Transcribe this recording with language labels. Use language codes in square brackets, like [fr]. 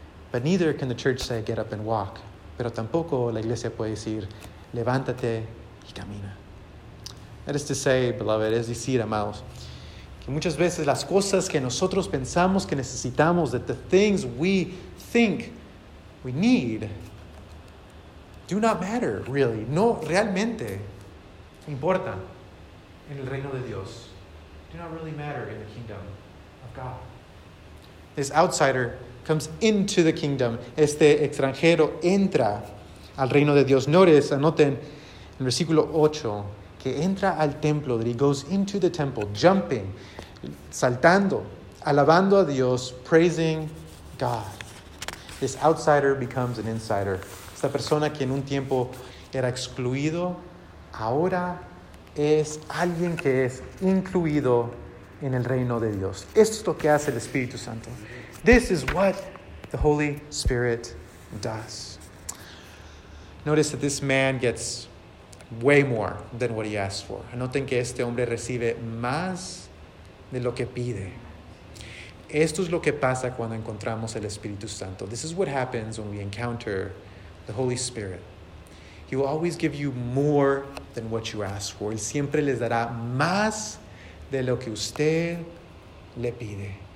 [en] But neither can the church say, get up and walk. [es] Pero tampoco la iglesia puede decir, levántate y camina. [en] That is to say, beloved, [es] es decir, amados, que muchas veces las cosas que nosotros pensamos que necesitamos, [en] that the things we think we need, do not matter, really. [es] No realmente importan en el reino de Dios. [en] Do not really matter in the kingdom of God. This outsider comes into the kingdom. [es] Este extranjero entra al reino de Dios. Notice, anoten en versículo 8, que entra al templo, [en] that he goes into the temple, [es] jumping, saltando, alabando a Dios, [en] praising God. This outsider becomes an insider. [es] Esta persona que en un tiempo era excluido, ahora es alguien que es incluido en el reino de Dios. Esto es lo que hace el Espíritu Santo. [en] This is what the Holy Spirit does. Notice that this man gets way more than what he asks for. [es] Noten que este hombre recibe más de lo que pide. Esto es lo que pasa cuando encontramos el Espíritu Santo. [en] This is what happens when we encounter the Holy Spirit. He will always give you more than what you ask for. [es] Él siempre les dará más de lo que usted le pide.